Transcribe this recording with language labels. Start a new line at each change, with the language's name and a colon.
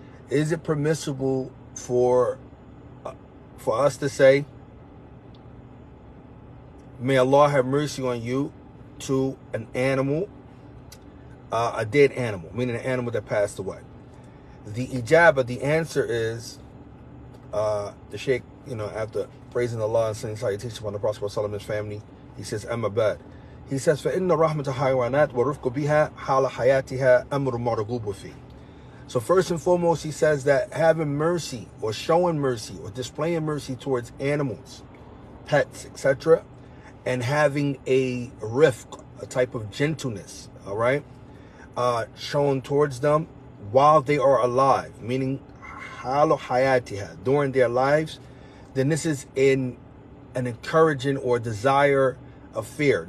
English: Is it permissible for us to say, may Allah have mercy on you, to an animal, a dead animal, meaning an animal that passed away? The ijaba, the answer is, the Sheikh, you know, after praising Allah and sending salutation upon the Prophet Sallallahu Alaihi Wasallam and his family, he says, amma bad. He says,
Arabic: فَإِنَّ رَحْمَةَ حَيْوَانَاتْ وَرُفْقُ بِهَا حَالَ حَيَاتِهَا أَمْرُ مَرْغُوبُ فِيهِ.
English: So first and foremost, he says that having mercy or showing mercy or displaying mercy towards animals, pets, etc., and having a rifq, a type of gentleness, all right, shown towards them while they are alive, meaning halu hayatiha, during their lives, then this is an encouraging or desire of fear.